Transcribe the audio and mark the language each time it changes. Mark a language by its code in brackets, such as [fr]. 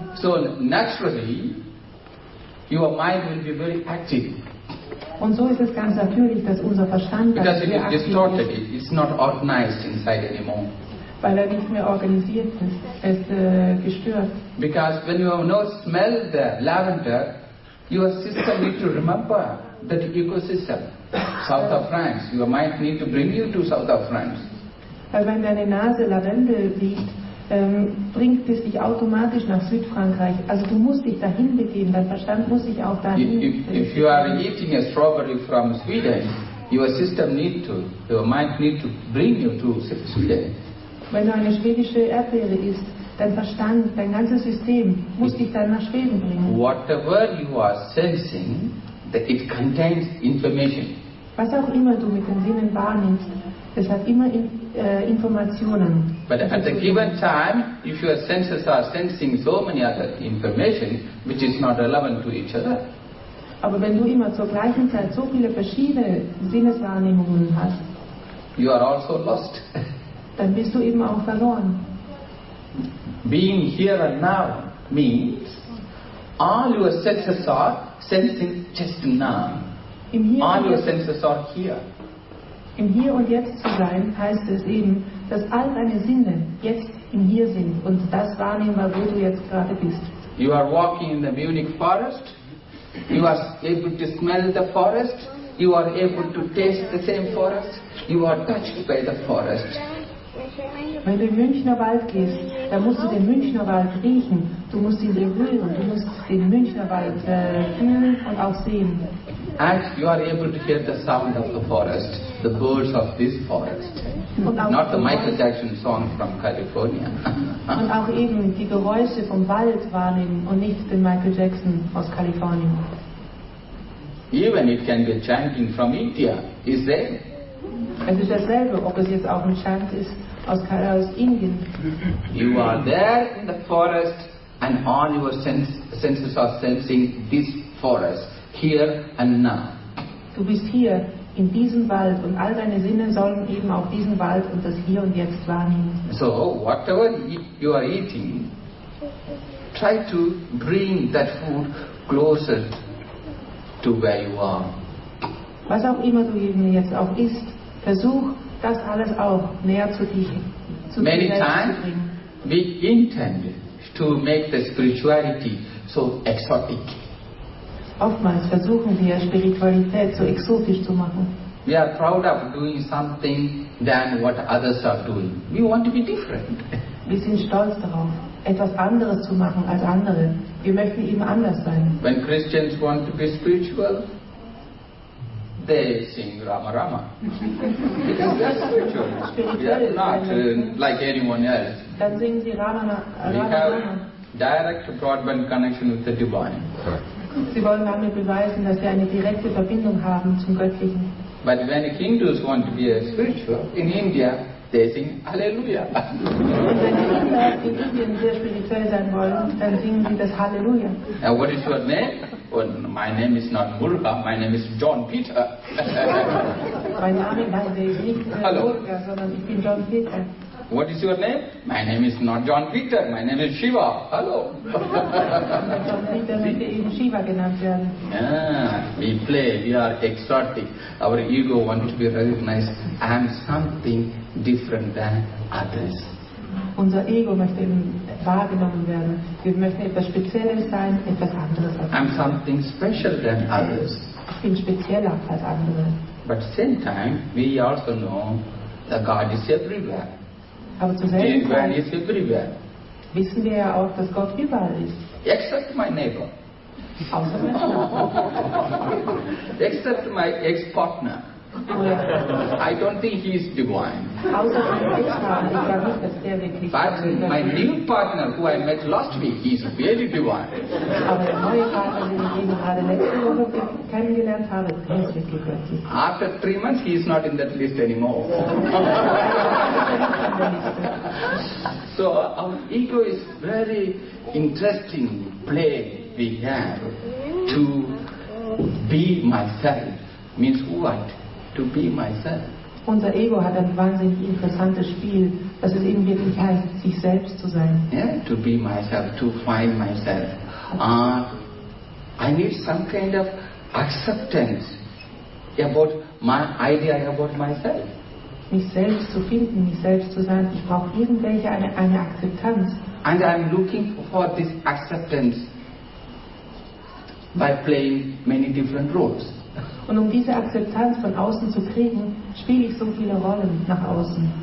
[en] So naturally, your mind will be very active. [de] Und so ist es ganz natürlich, dass unser Verstand sehr aktiv ist. [en] Because it is distorted, it's not organized inside anymore. [de] Weil nicht mehr organisiert ist, gestört. [en] Because when you have no smell the lavender, your system needs to remember that ecosystem, south of France. Your mind need to bring you to south of France. [de] Weil wenn deine Nase Lavendel riecht, bringt es dich automatisch nach Südfrankreich. Also du musst dich dahin begeben, dein Verstand muss dich auch dahin begeben. [en] If you are eating a strawberry from Sweden, your system need to, your mind need to bring you to Sweden. [de] Wenn du eine schwedische Erdbeere isst, dein Verstand, dein ganzes System muss dich dann nach Schweden bringen. [en] Whatever you are sensing, that it contains information. [de] Was auch immer du mit den Sinnen wahrnimmst, es hat immer Informationen. [en] But at a given time, if your senses are sensing so many other information, which is not relevant to each other. [de] Aber wenn du immer zur gleichen Zeit so viele verschiedene Sinneswahrnehmungen hast, [en] you are also lost. [de] Dann bist du eben auch verloren. [en] Being here and now means all your senses are sensing just now. All your senses are here. [de] Im Hier und Jetzt zu sein heißt es eben, dass all deine Sinne jetzt in hier sind und das wahrnehmen, wo du jetzt gerade bist. [en] You are walking in the Munich forest. You are able to smell the forest. You are able to taste the same forest. You are touched by the forest. [de] Wenn du in den Münchner Wald gehst, dann musst du den Münchner Wald riechen. Du musst ihn berühren. Du musst den Münchner Wald fühlen und auch sehen. [en] And you are able to hear the sound of the forest, the birds of this forest, not the Michael Jackson song from California. [de] Und auch eben die Geräusche vom Wald wahrnehmen und nicht den Michael Jackson aus Kalifornien. [en] Even it can be chanting from India, is there? [de] Es ist dasselbe, ob es jetzt auch ein Chant ist aus Indien. [en] You are there in the forest and all your senses are sensing this forest. Here and now. [de] Du bist hier in diesem Wald und all deine Sinne sollen eben auch diesen Wald und das Hier und Jetzt wahrnehmen. [en] So, whatever you are eating, try to bring that food closer to where you are. [de] Was auch immer du eben jetzt auch isst, versuch das alles auch näher zu dich zu bringen. [en] Many times we intend to make the spirituality so exotic. [de] Oftmals versuchen wir, Spiritualität so exotisch zu machen. [en] We are proud of doing something than what others are doing. We want to be different. [de] Wir sind stolz darauf, etwas anderes zu machen als andere. Wir möchten eben anders sein. [en] When Christians want to be spiritual, they sing Rama Rama. Because they are spiritual. They are not like anyone else. [de] Dann singen sie Rama Rama. [en] We have direct broadband connection with the divine. [de] Sie wollen damit beweisen, dass sie eine direkte Verbindung haben zum Göttlichen. [en] But when Hindus want to be a spiritual in India, they sing Hallelujah. [de] Und wenn die Inder in Indien sehr spirituell sein wollen, dann singen sie das Hallelujah. [en] Now what is your name? Well, my name is not Murga, my name is John Peter. [de] Mein Name ist nicht Murga, sondern ich bin John Peter. [en] What is your name? My name is not John Peter. My name is Shiva. Hello. [de] John Peter möchte eben Shiva genannt werden. [en] Yeah, we play. We are exotic. Our ego wants to be recognized. I am something different than others. [de] Unser Ego möchte eben wahrgenommen werden. Wir möchten etwas Spezielles sein, etwas anderes. [en] I am something special than others. [de] Ich bin spezieller als andere. [en] But same time, we also know that God is everywhere. [de] Aber zur selben [en] Divine [de] Zeit [en] is everywhere. [de] Wissen wir ja auch, dass Gott überall ist. [en] Except my neighbor. [de] Außer mein Nachbar. [en] Except my ex-partner. I don't think he is divine. [de] Außer mein Ex-Partner. Ich glaube nicht, dass der wirklich ist. [en] But my new partner, who I met last week, he is very divine. [de] Aber der neue Partner, den ich gerade letzte Woche kennengelernt habe, ist wirklich göttlich. [en] After 3 months, he is not in that list anymore. So our ego is very interesting play we have to be myself. Means what? To be myself. [de] Unser Ego hat ein wahnsinnig interessantes Spiel, dass es eben wirklich heißt, sich selbst zu sein. [en] Yeah, to be myself, to find myself. I need some kind of acceptance about my idea about myself. [de] Mich selbst zu finden, mich selbst zu sein, ich brauche irgendwelche eine Akzeptanz. [en] And I'm looking for this acceptance by playing many different roles. [de] Und um diese Akzeptanz von außen zu kriegen, spiele ich so viele Rollen nach außen.